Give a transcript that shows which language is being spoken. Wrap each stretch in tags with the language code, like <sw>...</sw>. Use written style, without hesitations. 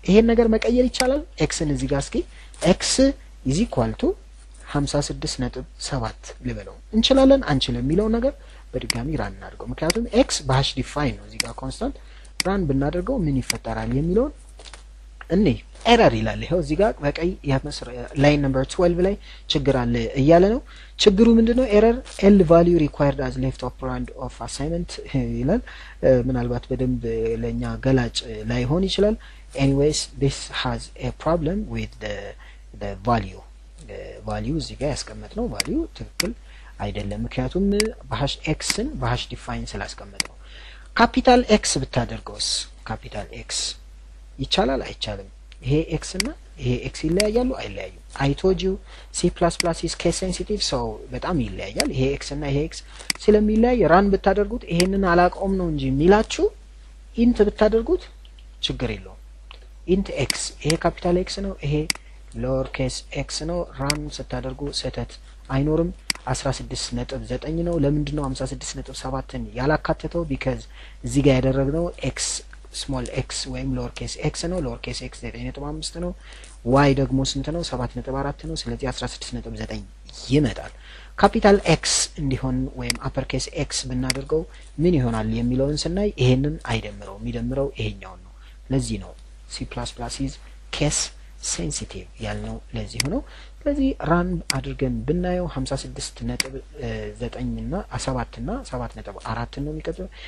<am>ይሄን ነገር መቀየር ይቻላል. x ን እዚህ ጋር እስኪ</am> <en>x is equal to 56.7</en> <am>ለበለው እንችላለን አንችልም የሚለው ነገር በድጋሚ ራን እናድርገው. ምክንያቱም x ባሽ ዲፋይን ነው እዚህ ጋር constant. ራን ብናደርገው ምን ይፈጠራል የሚለው እንዴ error ይላል. ይሄው እዚህ ጋር በቀይ ያመስረ line number 12 ላይ ችግር አለ እያለ ነው. ችግሩ ምንድነው?</am> <en>error l value required as left operand of assignment ይላል.</en> <am>ምናልባት በደንብ ለኛ ገላጭ ላይሆን ይችላል.</am> <en>anyways this has a problem with the value.</en> <am>ቫልዩ እዚህ ጋር ያስቀመጥነው ቫልዩ ትክክል አይደለም. ምክንያቱም ባሽ x ን ባሽ ዲፋይን ስላስቀመጥነው. ካፒታል x ብታደርገውስ? ካፒታል x ይቻላል አይቻልም? ይሄ x እና ይሄ x ይለያያሉ አይለያዩም?</am> <en>I told you C++ is case sensitive.</en> <am>so በጣም ይለያያል. ይሄ x እና ይሄ x ስለሚለያይ run ብታደርጉት ይሄንን አላቀውም ነው እንጂ ሚላቹ int ብታደርጉት ችግር የለውም. int x ይሄ ካፒታል x ነው ይሄ lower case x ነው. run ስታደርጉ ስህተት አይኖርም. 16.9 ነው. ለምንድን ነው 56.7 ን ያላካተተው? because እዚህ ጋር ያደረግነው x small x ወይም lower case x ነው. lower case x 9.5 ነው. y ደግሞ ስንት ነው? 7.4 ነው. ስለዚህ 16.9 ይመጣል. capital x እንዲሆን ወይም upper case x ብናደርገው ምን ይሆናል የሚለውን ስናይ ይሄንን አይደምረው የሚደምረው ይሄኛው ነው. ለዚህ ነው</am> <en>c++ is case sensitive</en> <am>ያልነው ለዚህ ሆኖ. ስለዚህ run አድርገን ብናየው 56.9 እና 7 እና 7.4 ነው የሚቀጥለው.</am>